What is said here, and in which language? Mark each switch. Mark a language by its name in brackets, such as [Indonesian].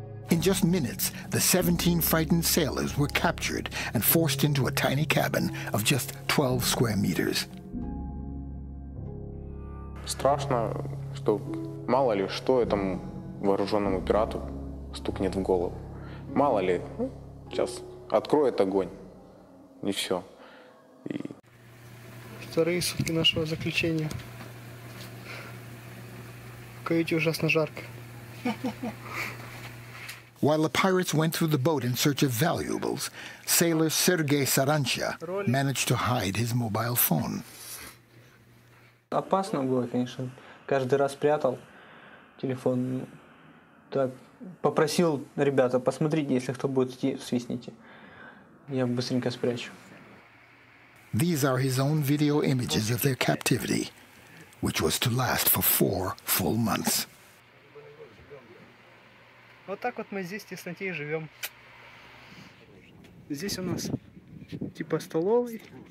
[English] In just minutes, the 17 frightened sailors were captured and forced into a tiny cabin of just 12 square meters. [Russian] страшно, что мало ли что этому вооруженному пирату стукнет в голову. Мало ли, сейчас откроет огонь, и все. И... Вторые сутки нашего заключения. В каюте ужасно жарко. [English] While the pirates went through the boat in search of valuables, sailor Sergei Saranchia managed to hide his mobile phone. [Russian] Опасно было, конечно. Каждый раз прятал телефон. Так, попросил ребята, посмотрите, если кто будет идти, свистните. Я быстренько спрячу. [English] These are his own video images of their captivity, which was to last for 4 full months. [Russian] Вот так вот мы здесь в тесноте и живем. Здесь у нас типа столовый.